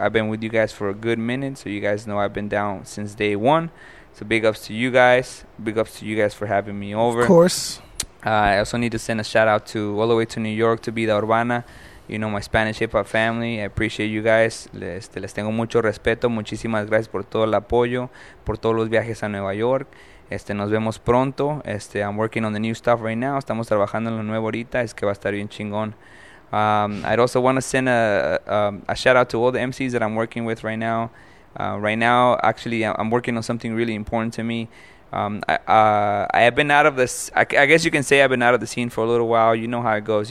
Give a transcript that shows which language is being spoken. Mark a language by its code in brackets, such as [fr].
[en] I've been with you guys for a good minute, so you guys know I've been down since day one. So big ups to you guys. Big ups to you guys for having me over. Of course. I also need to send a shout out to all the way to New York to be the Urbana. You know, my Spanish hip hop family, I appreciate you guys. [es] Les tengo mucho respeto. Muchísimas gracias por todo el apoyo, por todos los viajes a Nueva York. Nos vemos pronto. [en] I'm working on the new stuff right now. [es] Estamos trabajando en lo nuevo ahorita. Es que va a estar bien chingón. [en] I'd also want to send a shout out to all the MCs that I'm working with right now. Actually, I'm working on something really important to me. I have been out of this. I guess you can say I've been out of the scene for a little while. You know how it goes.